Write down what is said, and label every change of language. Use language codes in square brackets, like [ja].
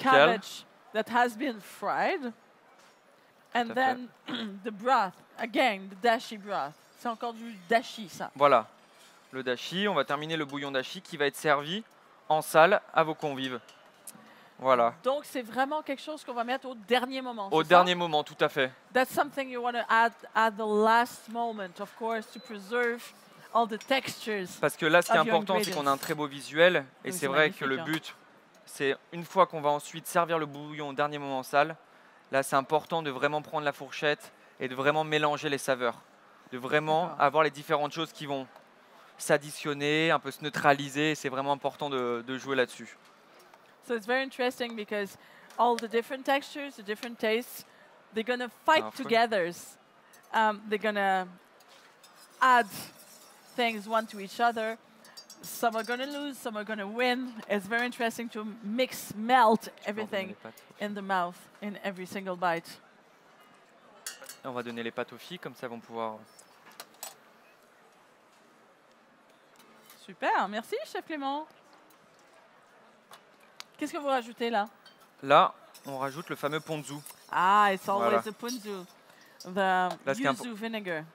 [en] kale. Cabbage that has been fried. And then the broth, again, the dashi broth. [fr] C'est encore du dashi, ça. Voilà, le dashi. On va terminer le bouillon dashi qui va être servi en salle à vos convives. Voilà. Donc, c'est vraiment quelque chose qu'on va mettre au dernier moment. Au dernier moment, tout à fait. [en] That's something you want to add at the last moment, of course, to preserve all the textures. [fr] Parce que là, ce qui est important, c'est qu'on a un très beau visuel. Et donc c'est vrai que le but, c'est une fois qu'on va ensuite servir le bouillon au dernier moment en salle, là, c'est important de vraiment prendre la fourchette et de vraiment mélanger les saveurs. De vraiment avoir les différentes choses qui vont s'additionner, un peu se neutraliser. C'est vraiment important de jouer là-dessus. [en] So it's very interesting because all the different textures, the different tastes, they're going to fight together. They're going to add things one to each other. Some are going to lose, some are going to win. It's very interesting to mix, melt everything in the mouth, in every single bite. [fr] On va donner les pâtes aux filles, comme ça vont pouvoir... Super, merci Chef Clément. Qu'est-ce que vous rajoutez là? Là, on rajoute le fameux ponzu. [en] Ah, it's always the ponzu. The là, yuzu vinegar.